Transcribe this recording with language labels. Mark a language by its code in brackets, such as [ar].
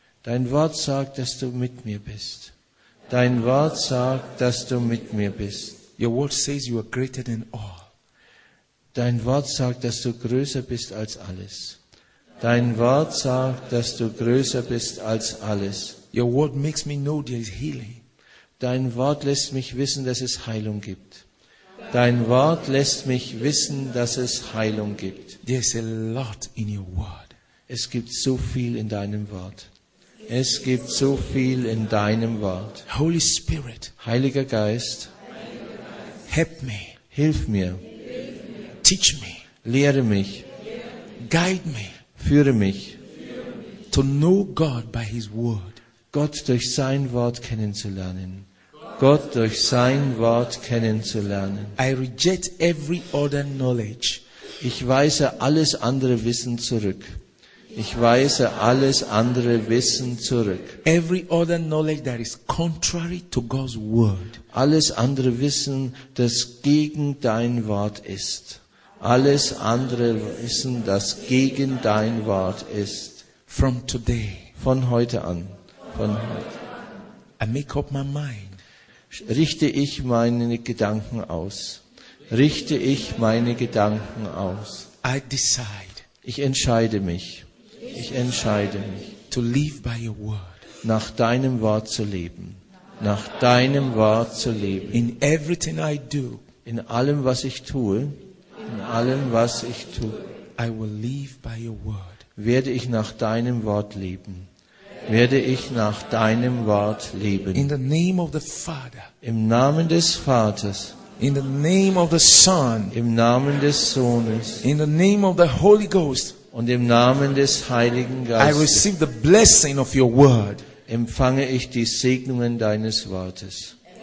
[de] Dein Wort sagt, dass du mit mir bist. Dein Wort sagt, dass du mit mir bist. [en] Your word says you are greater than all. [de] Dein Wort sagt, dass du größer bist als alles. Dein Wort sagt, dass du größer bist als alles. [en] Your word makes me know there is healing. [de] Dein Wort lässt mich wissen, dass es Heilung gibt. Dein Wort lässt mich wissen, dass es Heilung gibt. [en] There is a lot in your word. [de] Es gibt so viel in deinem Wort. Es gibt so viel in deinem Wort. [en] Holy Spirit, [de] Heiliger Geist, [en] help me. [de] Hilf mir. [en] Teach me. [de] Lehre mich. [en] Guide me. [de] Führe mich. [en] To know God by His word. [de] Gott durch sein Wort kennenzulernen. Gott durch sein Wort kennenzulernen. [en] I reject every other knowledge. [de] Ich weise alles andere Wissen zurück. Ich weise alles andere Wissen zurück. [en] Every other knowledge that is contrary to God's word. [de] Alles andere Wissen, das gegen dein Wort ist. Alles andere Wissen, das gegen dein Wort ist. [en] From today. [de] Von heute an. Von heute. [en] I make up my mind. [de] Richte ich meine Gedanken aus. Richte ich meine Gedanken aus. [en] I decide. [de] Ich entscheide mich. Ich entscheide mich. [en] To live by your word. [de] Nach deinem Wort zu leben. Nach deinem Wort zu leben. [en] In everything I do. [de] In allem, was ich tue. In allem, was ich tue. [en] I will live by your word. [de] Werde ich nach deinem Wort leben. Werde ich nach deinem Wort leben. [en] In the name of the Father. [de] Im Namen des Vaters. [en] In the name of the Son. [de] Im Namen des Sohnes. [en] In the name of the Holy Ghost. [de] Und im Namen des Heiligen Geistes. [en] I receive the blessing of your word. [de] Empfange ich die Segnungen deines Wortes.